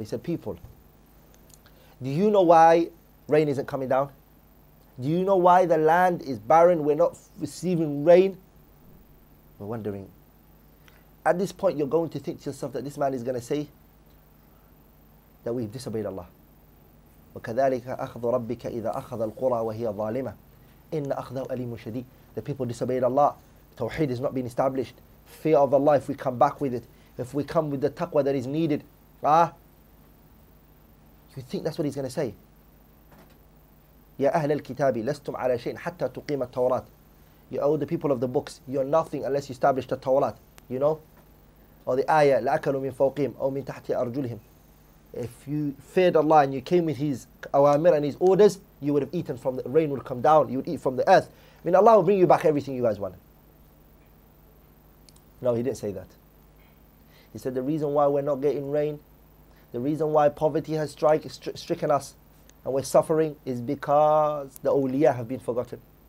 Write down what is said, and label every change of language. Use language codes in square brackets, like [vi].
[en] He said, people, do you know why rain isn't coming down? Do you know why the land is barren? We're not receiving rain? We're wondering. At this point, you're going to think to yourself that this man is going to say that we've disobeyed Allah. [ar] وكذلك أخذ ربك إذا أخذ القرى وهي ظالمة إن أخذه أليم شديد. [en] The people disobeyed Allah. Tawheed has not been established. Fear of Allah, if we come back with it, if we come with the taqwa that is needed, you think that's what he's going to say. [ar] يا أهل الكتاب لستم على شيء حتى تقيم التوراة. [en] You owe the people of the books. You're nothing unless you establish the Tawrat. You know? Or the ayah, [ar] لأكلوا من فوقهم أو من تحت أرجلهم. [en] If you feared Allah and you came with His awamir and His orders, you would have eaten from the rain would come down, you would eat from the earth. I mean, Allah will bring you back everything you guys want. No, he didn't say that. He said, the reason why we're not getting rain, the reason why poverty has stricken us and we're suffering is because the awliya have been forgotten.